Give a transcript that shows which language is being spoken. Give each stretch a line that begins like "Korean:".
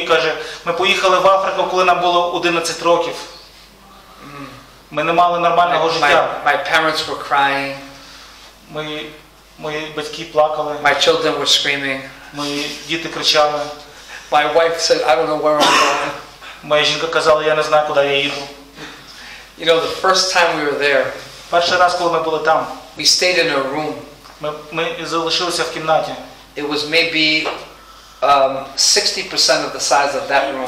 Ukrainian: Каже, ми поїхали в Африку, коли нам було 11 років. Ми не мали нормального життя.
English: My parents were crying.
Ukrainian: Мої батьки плакали.
English: My children were screaming.
Ukrainian: Мої діти кричали.
English: My wife said, "I don't know where I'm going."
Ukrainian: Моя жінка казала, я не знаю, куди я їду.
English: You know, the first time we were there.
Ukrainian: Перший раз, коли ми були там.
English: We stayed in a room.
Ukrainian: Ми залишилися в кімнаті.
English: It was maybe 60% of the size of that room.